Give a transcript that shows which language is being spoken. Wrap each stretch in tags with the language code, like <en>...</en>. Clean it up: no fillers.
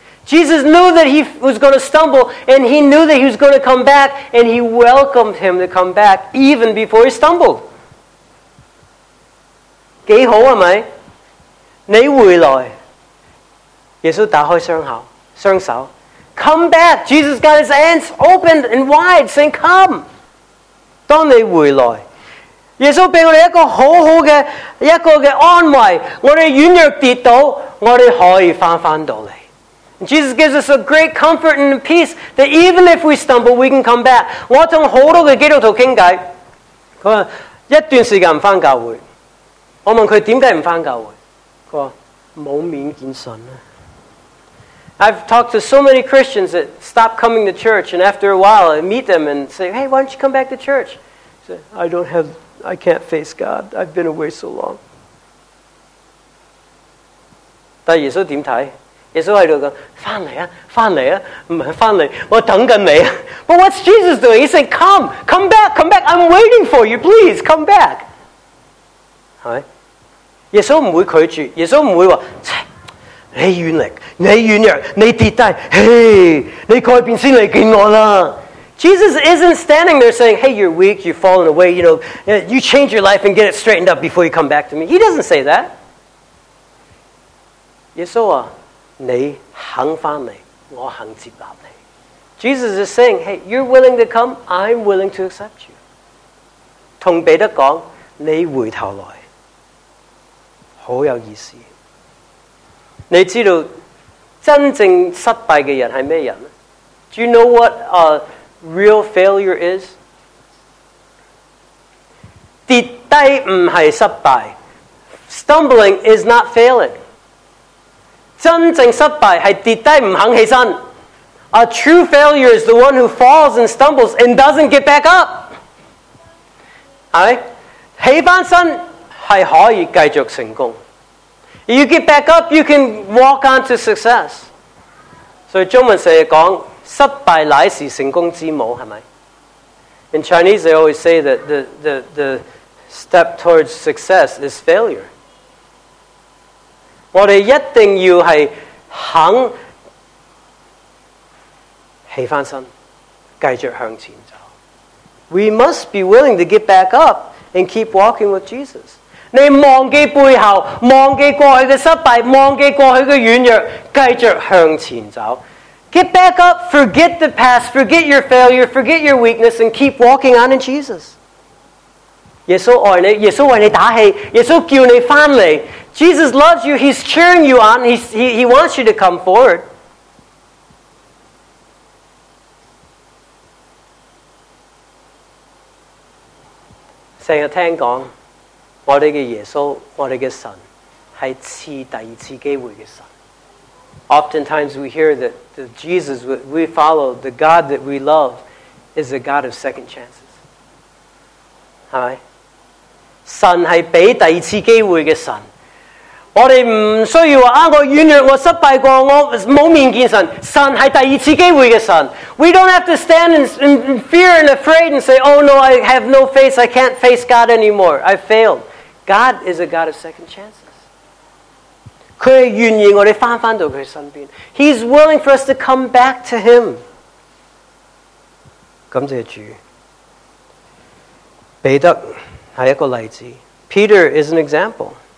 <en>Jesus knew that he was going to stumble and he knew that he was going to come back and he welcomed him to come back even before he stumbled.</en> <zh>几好是吗？你回来，耶稣打开双手，</zh> <en>come back. Jesus got his hands open and wide saying come.</en> <zh>当你回来，耶稣给我们一个好好的一个的安慰，我们软弱跌倒，我们可以回到来。</zh> <en>Jesus gives us a great comfort and peace that even if we stumble, we can come back.</en> <zh>我跟很多的基督徒聊天，他说一段时间不回教会，我问他为什么不回教会，他说没面见神。</zh> <en>I've talked to so many Christians that stop coming to church and after a while I meet them and say, hey, why don't you come back to church? He said, I can't face God. I've been away so long.</en> <zh>但耶稣怎么看？耶稣在这里说，回来啊，回来啊，不是回来，我等着你。</zh> <en>But what's Jesus doing? He's saying, come, come back, come back. I'm waiting for you. Please, come back.</en> <zh>是吧？耶稣不会拒绝，耶稣不会说，你软弱，你软弱，你跌低，嘿，你改变先来见我啦。</zh> <en>Jesus isn't standing there saying, hey, you're weak, you've fallen away, you know, you change your life and get it straightened up before you come back to me. He doesn't say that.</en> <zh>耶稣说, 你肯回来, 我肯接纳你。</zh> <en>Jesus is saying, hey, you're willing to come, I'm willing to accept you.</en> <zh>跟彼得说, 你回头来。好有意思。你知道真正失败的人是什么人?</zh> <en>Do you know what, real failure is?</en> <zh>跌低不是失败。</zh> <en>Stumbling is not failing.</en> <zh>真正失败是跌低不肯起身。</zh> <en>A true failure is the one who falls and stumbles and doesn't get back up.</en> <zh>是起翻身是可以继续成功。</zh> <en>You get back up, you can walk on to success.</en> <zh>所以中文成日讲失败乃是成功之母，系咪 ？</zh> <en>In Chinese, they always say that the step towards success is failure.</en> <zh>我哋一定要系肯起翻身，继续向前走。</zh> <en>We must be willing to get back up and keep walking with Jesus.</en> <zh>你忘记背后，忘记过去的失败，忘记过去的软弱，继续向前走。</zh> <en>Get back up, forget the past, forget your failure, forget your weakness, and keep walking on in Jesus.</en> <zh>耶稣爱你，耶稣为你打气，耶稣叫你翻嚟。</zh> <en>Jesus loves you, he's cheering you on, he wants you to come forward.</en> <zh>成日听讲我们的耶稣，我们的神是赐第二次机会的神。</zh> <en>Oftentimes we hear that the Jesus we follow, the God that we love, is the God of second chances.</en> <zh>是吧？神是给第二次机会的神。我们不需要说，啊，我软弱，我失败过，我没面见神。神是第二次机会的神。</zh> <en>We don't have to stand in fear and afraid and say, oh no, I have no faith, I can't face God anymore, I failed. God is a God of second chances.</en> <zh>祂是愿意我们回到祂身边。</zh> <en>He's willing for us to come back to Him.</en> <zh>感谢主。彼得是一个例子。</zh> <en>Peter is an example.</en>